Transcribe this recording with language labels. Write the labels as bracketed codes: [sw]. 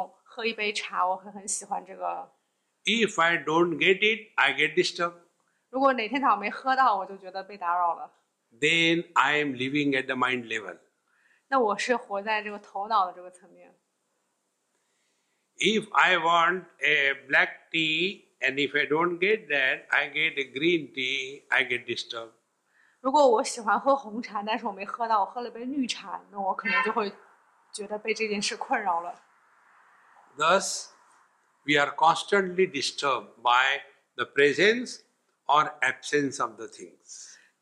[zh] 就每天早上我5点钟喝一杯茶，我很喜欢这个。 [en] If I don't get it, I get disturbed. [zh] 如果哪天早上没喝到，我就觉得被打扰了。 [en] Then I am living at the mind level. [zh] 那我是活在这个头脑的这个层面。 [en] If I want a black tea, and if I don't get that, I get a green tea, I get disturbed. [zh] 如果我喜欢喝红茶，但是我没喝到，我喝了杯绿茶，那我可能就会觉得被这件事困扰了。 [en] Thus, we are constantly disturbed by the presence or absence of the things.